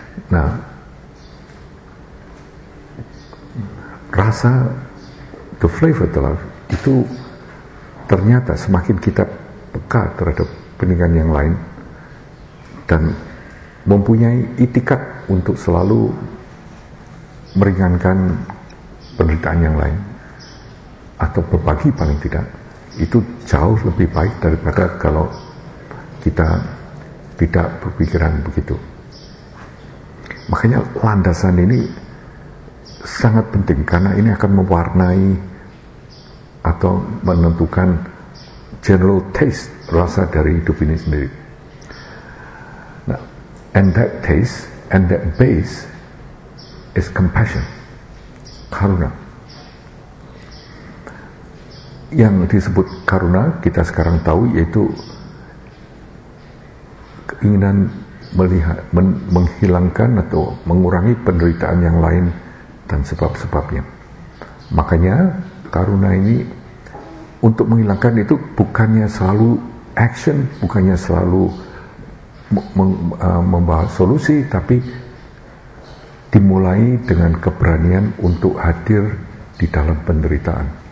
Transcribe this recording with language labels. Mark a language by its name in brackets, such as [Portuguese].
[Indonesian] Nah, rasa, [English] the flavor of the life [Indonesian] itu ternyata semakin kita peka terhadap peningkatan yang lain dan mempunyai itikad untuk selalu meringankan penderitaan yang lain atau berbagi paling tidak, itu jauh lebih baik daripada kalau kita tidak berpikiran begitu. Makanya landasan ini sangat penting karena ini akan mewarnai atau menentukan [English] general taste, [Indonesian] rasa dari hidup ini sendiri. [English] Nah, and that taste and that base is compassion, karuna. [Indonesian] Yang disebut karuna, kita sekarang tahu yaitu keinginan melihat, menghilangkan atau mengurangi penderitaan yang lain dan sebab-sebabnya. Makanya karuna ini untuk menghilangkan itu bukannya selalu action, bukannya selalu membawa solusi, tapi dimulai dengan keberanian untuk hadir di dalam penderitaan.